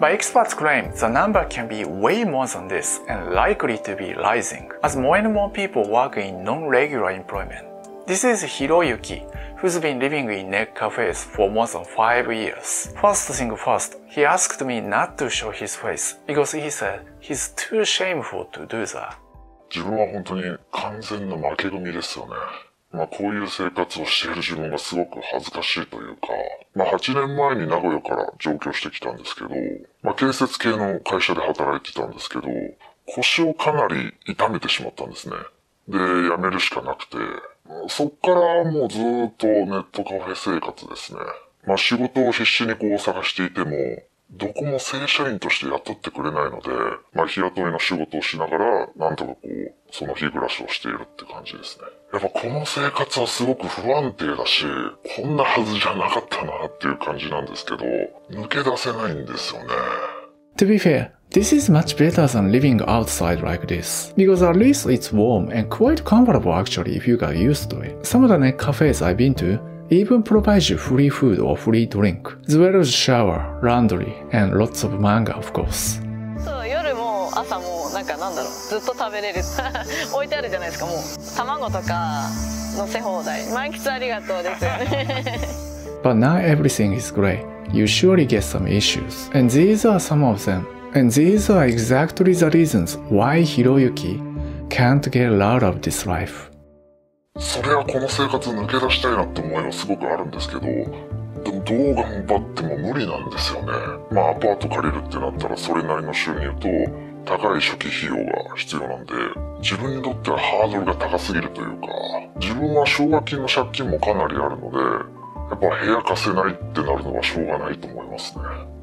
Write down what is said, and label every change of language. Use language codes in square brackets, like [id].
[en] But experts claim the number can be way more than this and likely to be rising as more and more people work in non-regular employment. This is Hiroyuki, who's been living in net cafes for more than 5 years. First thing first, he asked me not to show his face because he said he's too shameful to do that. [ja] 自分は本当に完全な負け組ですよね。まあこういう生活をしている自分がすごく恥ずかしいというか、まあ8年前に名古屋から上京してきたんですけど、まあ建設系の会社で働いてたんですけど、腰をかなり痛めてしまったんですね。で、辞めるしかなくて、そっからもうずっとネットカフェ生活ですね。まあ仕事を必死にこう探していても、どこも正社員として雇ってくれないので、まあ日雇いの仕事をしながら、なんとかこう、その日暮らしをしているって感じですね。やっぱこの生活はすごく不安定だし、こんなはずじゃなかったなっていう感じなんですけど、抜け出せないんですよね。 [en] To be fair, this is much better than living outside like this. Because at least it's warm and quite comfortable actually if you got used to it. Some of the net cafes I've been to,Even provides you free food or free drink, as well as shower, laundry, and lots of manga, of course. [ja] そう、夜も朝もなんかなんだろう、ずっと食べれる。置いてあるじゃないですか、もう。卵とか乗せ放題。満喫ありがとうですよね。 [en] But not everything is great. You surely get some issues. And these are some of them. And these are exactly the reasons why Hiroyuki can't get out of this life. [ja] それはこの生活抜け出したいなって思いはすごくあるんですけど、でもどう頑張っても無理なんですよね。まあアパート借りるってなったらそれなりの収入と高い初期費用が必要なんで、自分にとってはハードルが高すぎるというか、自分は奨学金の借金もかなりあるので、やっぱ部屋貸せないってなるのはしょうがないと思いますね。